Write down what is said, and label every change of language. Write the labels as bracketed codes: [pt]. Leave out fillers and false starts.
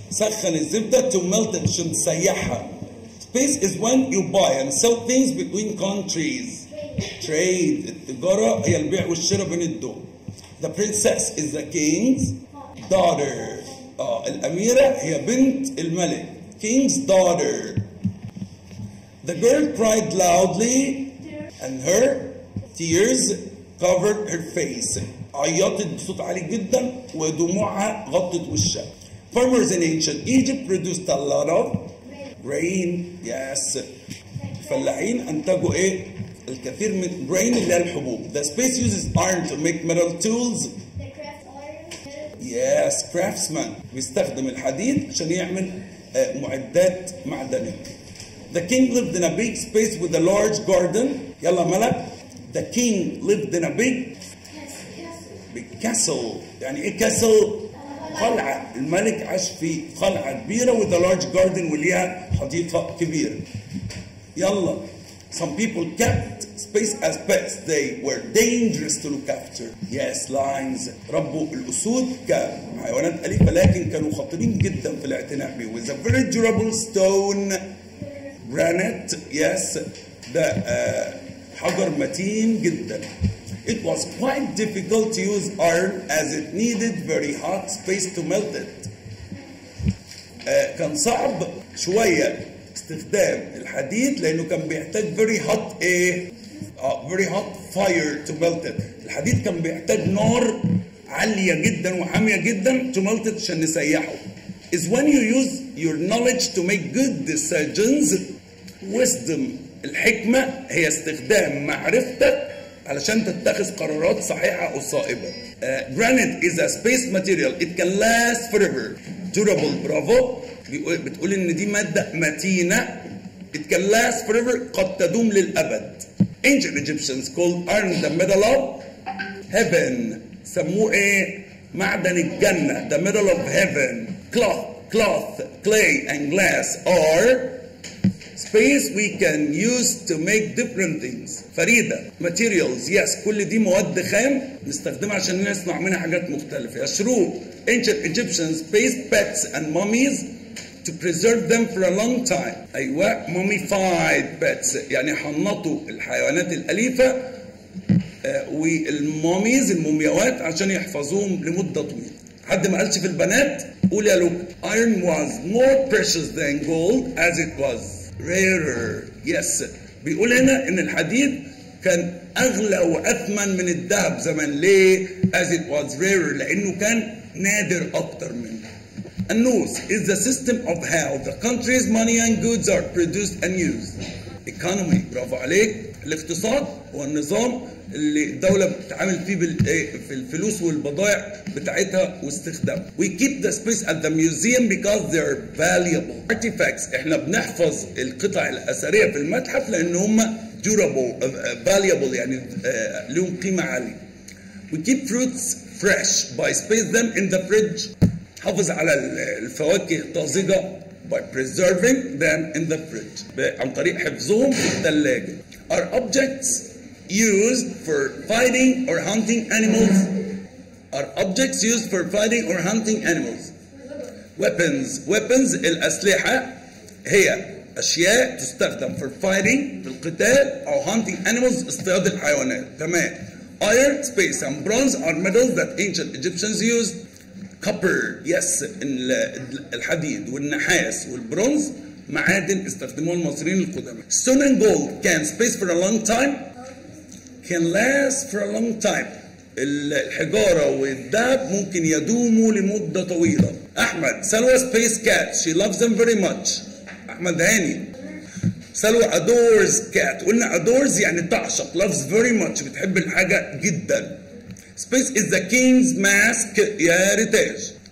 [ar] سخن الزبدة [en] to melt it [ar] عشان تسيحها. [en] Space is when you buy and sell things between countries. Trade. [ar] التجارة هي البيع والشراء بين الدول. [en] The princess is the king's daughter. [ar] الأميرة هي بنت الملك. [en] King's daughter. The girl cried loudly and her tears covered her face. [ar] عيطت بصوت عالي جدا ودموعها غطت وشها. [en] Farmers in ancient Egypt produced a lot of grain. Yes. [ar] الفلاحين انتجوا ايه؟ الكثير من grain اللي هي الحبوب. [en] The space uses iron to make metal tools. Yes, craftsman. [ar] بيستخدم الحديد عشان يعمل معدات معدنية. [en] The king lived in a big space with a large garden. [ar] يلا ملك. [en] The king lived in a big castle. [ar] يعني ايه castle؟ قلعة. الملك عاش في قلعة كبيرة [en] with a large garden [ar] وليها حديقة كبيرة. [en] يلا. Some people kept space as pets. They were dangerous to look after. Yes, lions. [ar] ربوا الأسود كحيوانات أليفة لكن كانوا خطرين جدا في الاعتناء به. [en] With a very durable stone. Granite. Yes. [ar] ده حجر متين جدا. [en] It was quite difficult to use iron as it needed very hot space to melt it. [ar] كان صعب شوية استخدام الحديد لأنه كان بيحتاج [en] very hot very hot fire to melt it. [ar] الحديد كان بيحتاج نار عالية جدا وحامية جدا [en] to melt it [ar] عشان نسيحه. [en] Is when you use your knowledge to make good decisions. Wisdom. [ar] الحكمة هي استخدام معرفتك علشان تتخذ قرارات صحيحة أو صائبة. [en] Granite is a space material. It can last forever. Durable. Bravo. [ar] بتقول إن دي مادة متينة. [en] It can last forever. [ar] قد تدوم للأبد. [en] Ancient Egyptians called iron the metal of heaven. [ar] سموه إيه؟ معدن الجنة. [en] The metal of heaven. Cloth. Cloth. Clay and glass are space we can use to make different things. فريدة. Materials. Yes. [ar] كل دي مواد خام نستخدمها عشان نصنع منها حاجات مختلفة. [en] شروب. Ancient Egyptians based pets and mummies to preserve them for a long time. أيوة. Mummified pets. [ar] يعني حنطوا الحيوانات الأليفة والموميز المومياوات عشان يحفظوهم لمدة طويلة. حد ما قالش في البنات؟ قول يا لوك. [en] Iron was more precious than gold as it was. Rarer. Yes. [ar] بيقول هنا ان الحديد كان اغلى واثمن من الذهب زمان. ليه؟ [en] As it was rarer. [ar] لانه كان نادر اكتر منه. [en] النوس is the system of how the country's money and goods are produced and used. Economy. [ar] برافو عليك. الاقتصاد هو النظام اللي الدولة بتتعامل فيه في الفلوس والبضائع بتاعتها واستخدامها. [en] We keep the space at the museum because they are valuable artifacts. [ar] احنا بنحفظ القطع الأثرية في المتحف لأن هم [en] durable, valuable, [ar] يعني لهم قيمة عالية. [en] We keep fruits fresh by space them in the fridge. [ar] حافظ على الفواكه طازجة [en] by preserving them in the fridge. [ar] عن طريق حفظهم في الثلاجة. [en] Our objects used for fighting or hunting animals. Are objects used for fighting or hunting animals? Weapons. [ar] Weapons, الأسلحة هي أشياء تستخدم [en] for fighting, [ar] في القتال, [en] or hunting animals, [ar] اصطياد الحيوانات. تمام. [en] Iron, space, and bronze are metals that ancient Egyptians used. Copper, yes, [ar] الحديد والنحاس والبرونز معادن استخدموها المصريين القدماء. [en] Stone and gold can space for a long time. Can last for a long time. [ar] الحجارة والذهب ممكن يدوموا لمدة طويلة. [en] أحمد. سلوى space cat. She loves them very much. أحمد هاني. سلوى adores cat. [ar] قلنا adores يعني تعشق. [en] Loves very much. [ar] بتحب الحاجة جدا. [en] Space is the king's mask. يا ريتاج.